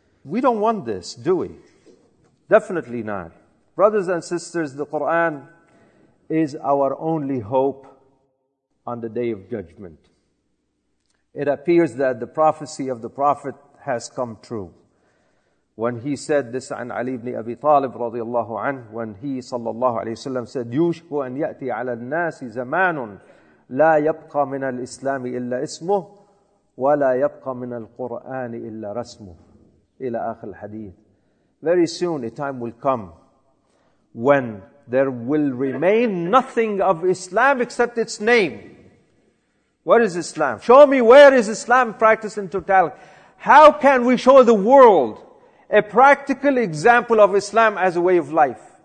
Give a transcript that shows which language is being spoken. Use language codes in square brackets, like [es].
[en] We don't want this, do we? Definitely not. Brothers and sisters, the Qur'an is our only hope on the Day of Judgment. It appears that the prophecy of the Prophet has come true. When he said this [ar] عن علي بن أبي طالب رضي الله عنه, [en] when he [ar] صلى الله عليه وسلم said, يوشك أن يأتي على الناس زمان لا يبقى من الإسلام إلا اسمه ولا يبقى من القرآن إلا رسمه, إلى آخر الحديث. [en] Very soon a time will come when there will remain nothing of Islam except its name. What is Islam? Show me where is Islam practiced in totality. How can we show the world a practical example of Islam as a way of life?